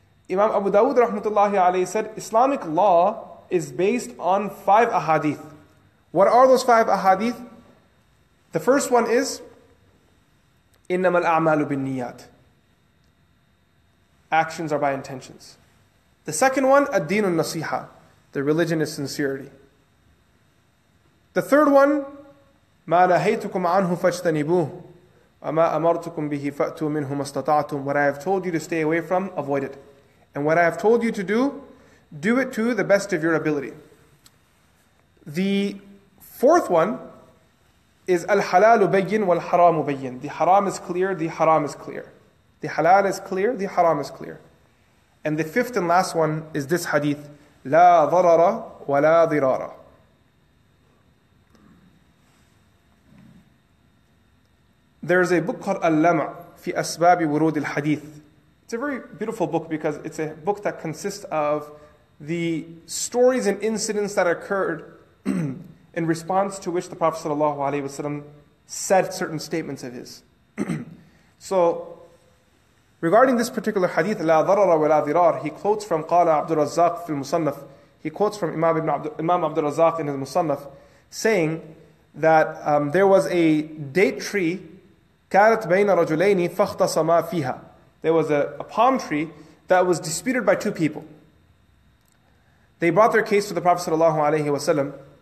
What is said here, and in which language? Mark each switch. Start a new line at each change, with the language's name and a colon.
English: Imam Abu Dawud rahmatullahi alayhi said, Islamic law is based on 5 ahadith. What are those 5 ahadith? The first one is,
Arabic: إِنَّمَا الْأَعْمَالُ بِالنِّيَّاتِ.
English: Actions are by intentions. The second one,
Arabic: الدين النصيحة.
English: The religion is sincerity.
Arabic: The third one, مَا نَهَيْتُكُمْ عَنْهُ فَاجْتَنِبُوهُ وَمَا أَمَرْتُكُمْ بِهِ فَأْتُوا مِنْهُ مَا اسْتَطَعْتُمْ.
English: What I have told you to stay away from, avoid it. And what I have told you to do, do it to the best of your ability. The fourth one is
Arabic: الْحَلَالُ بَيِّنْ وَالْحَرَامُ بَيِّنْ.
English: The haram is clear, the haram is clear. The halal is clear, the haram is clear. And the fifth and last one is this hadith,
Arabic: لا ضرر ولا ضرار.
English: There is a book called Al-Lam' fi Asbab Wurud al-Hadith. It's a very beautiful book because it's a book that consists of the stories and incidents that occurred in response to which the Prophet ﷺ said certain statements of his. So, regarding this particular hadith,
Arabic: لا ضرر ولا ضرار,
English: he quotes from
Arabic: قال عبد الرزاق في المصنف.
English: He quotes from Imam Abdul Razak in his Musnad, saying that there was a date tree,
Arabic: كانت بين رجلين فاختصما فيها.
English: There was a palm tree that was disputed by two people. They brought their case to the Prophet sallallahu alaihi wasallam.